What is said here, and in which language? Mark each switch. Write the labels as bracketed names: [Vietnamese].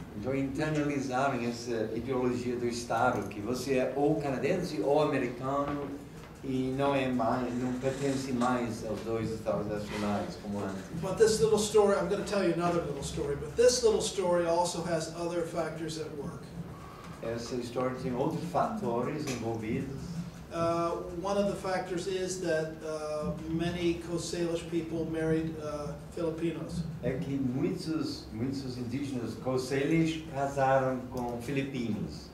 [Portuguese] Então internalizaram essa ideologia do Estado, que você é ou canadense ou americano e não pertence mais aos dois Estados nacionais como antes. [English] But this little story, I'm going to tell you another little story, but this little story also has other factors at work. [Portuguese] Essa história tem outros fatores envolvidos. [English] One of the factors is that many Coast Salish people married Filipinos. [Portuguese] É que muitos indígenas Coast Salish casaram com filipinos.